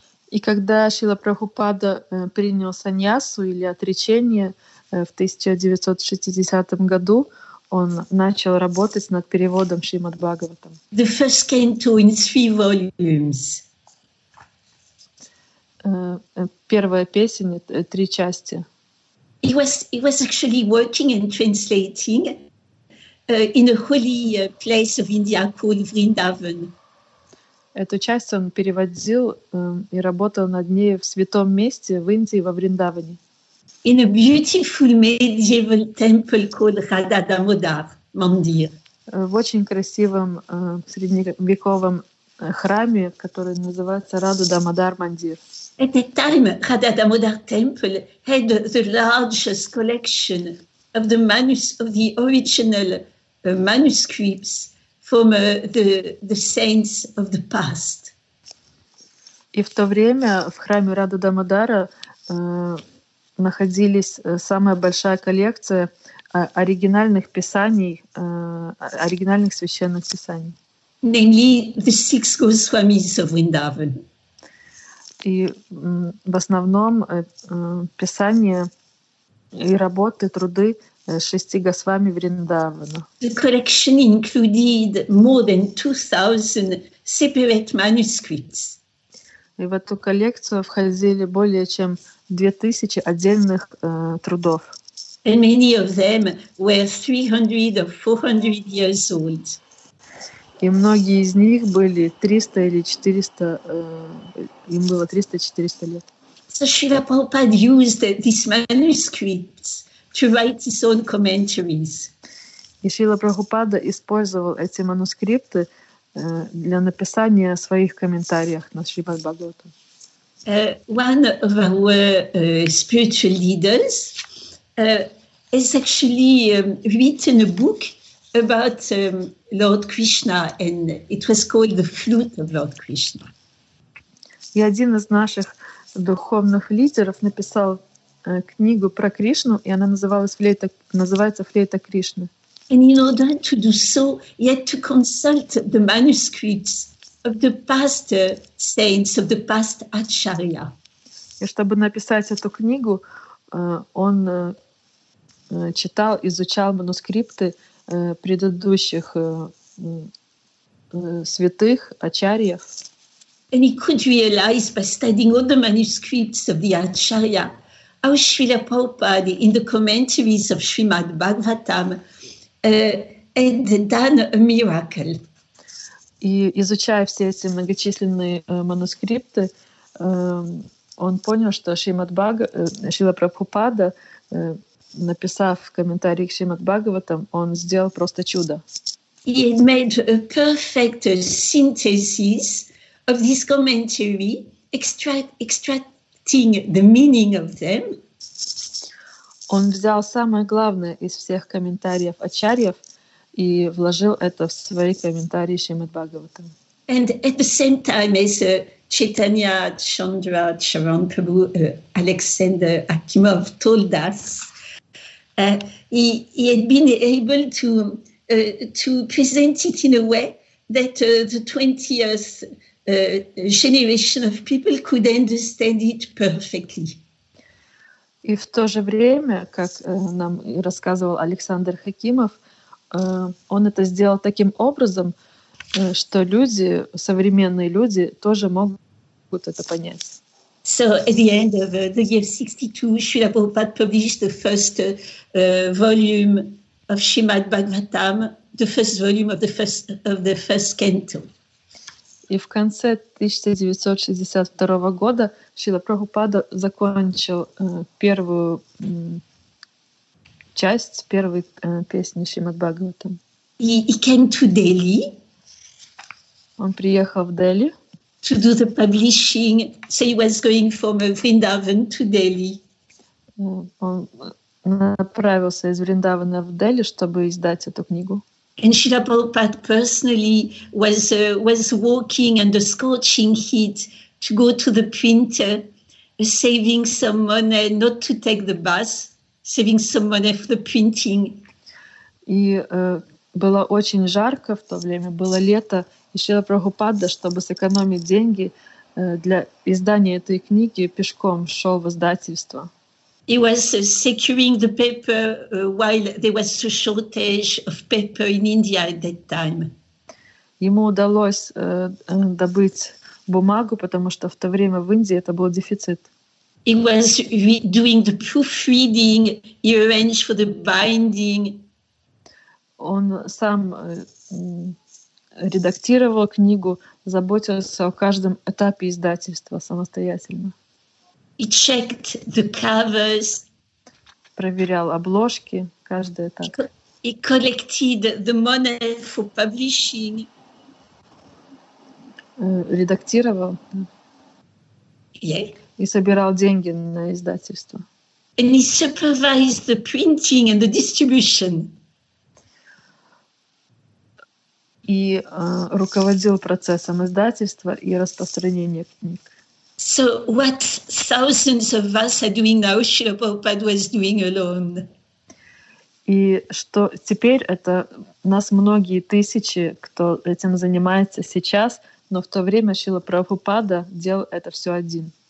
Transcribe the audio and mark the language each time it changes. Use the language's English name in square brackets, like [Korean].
[Russian] И когда Шрила Прабхупада принял саньясу или отречение в 1960 году, он начал работать над переводом Шримад Бхагаватам. [English] The first canto in three volumes. [Russian] Первая песня, три части. [English] He was actually working and translating in a holy place of India called Vrindavan. [Russian] Эту часть он переводил и работал над ней в святом месте в Индии, во Вриндаване. [English] In a beautiful medieval temple called Radha Damodar Mandir. [Russian] В очень красивом средневековом храме, который называется Radha Damodar Mandir. [English] At that time, Radha Damodar Temple had the largest collection of the original manuscripts from the saints of the past. [Russian] И в то время в храме Рада Дамодара находились самая большая коллекция оригинальных писаний, оригинальных священных писаний. [English] Namely, the six Goswamis of Vrindavan. [Russian] И в основном писания и работы, труды шести Госвами Вриндавана. [English] The collection included more than 2,000 separate manuscripts. [Russian] И в эту коллекцию входили более чем 2000 отдельных трудов. [English] And many of them were 300 or 400 years old. [Russian] И многие из них были 300 или 400, им было 300-400 лет. [English] So Srila Prabhupada used these manuscripts to write his own commentaries. [Russian] И Шрила Прабхупада использовал эти манускрипты для написания своих комментариев на Шримад Бхагаватам. [English] One of our spiritual leaders has actually written a book about Lord Krishna, and it was called The Flute of Lord Krishna. [Russian] И один из наших духовных лидеров написал книгу про Кришну, и она называлась «Флейта», называется «Флейта Кришны». [English] And in order to do so, he had to consult the manuscripts of the past saints, of the past Acharya. [Russian] И чтобы написать эту книгу, он читал, изучал манускрипты предыдущих святых Ачарьев. [English] And he could realize by studying all the manuscripts of the Acharya, how Srila Prabhupada, in the commentaries of Srimad Bhagavatam, and done a miracle. [Russian] И изучая все эти многочисленные манускрипты, он понял, что Шрила Прабхупада, написав комментарий к Шримад Бхагаватам, он сделал просто чудо. [English] He had made a perfect synthesis of this commentary, extracting the meaning of them. [Russian] Он взял самое главное из всех комментариев Ачарьев и вложил это в свои комментарии Шримад Бхагаватам. [English] And at the same time as Chaitanya Chandra Charan Prabhu, Alexander Akimov told us, he had been able to present it in a way that the 20th generation of people could understand it perfectly. [Russian] И в то же время, как нам рассказывал Александр Хакимов, он это сделал таким образом, что люди, современные люди, тоже могут это понять. [English] So at the end of the year 62, Srila Prabhupada published the first volume of Srimad Bhagavatam, the first volume of the first canto. [Russian] И в конце 1962 года Шрила Прабхупада закончил первую часть, первой песни Шримад Бхагаватам. [English] He came to Delhi. [Russian] Он приехал в Дели. [English] To do the publishing, so he was going from Vrindavan to Delhi. [Russian] Он направился из Вриндавана в Дели, чтобы издать эту книгу. [English] And Srila Prabhupada personally was walking under scorching heat to go to the printer, saving some money not to take the bus, saving some money for the printing. [Russian] И было очень жарко в то время, было лето, и Шрила Прабхупада, чтобы сэкономить деньги для издания этой книги, пешком шел в издательство. [English] He was securing the paper while there was a shortage of paper in India at that time. [Russian] Ему удалось добыть бумагу, потому что в то время в Индии это был дефицит. [English] He was doing the proofreading, he arranged for the binding. [Russian] Он сам редактировал книгу, заботился о каждом этапе издательства самостоятельно. [English] He checked the covers. [Russian] Проверял обложки, каждый этап. [English] He collected the money for publishing. [Russian] Редактировал. [English] Yeah. [Russian] И собирал деньги на издательство. [English] And he supervised the printing and the distribution. [Russian] и руководил процессом издательства и распространения книг. [English] So what thousands of us are doing now, Srila Prabhupada was doing alone. [Russian] И что теперь это нас многие тысячи, кто этим занимается сейчас, но в то время Шрила Прабхупада делал это все один.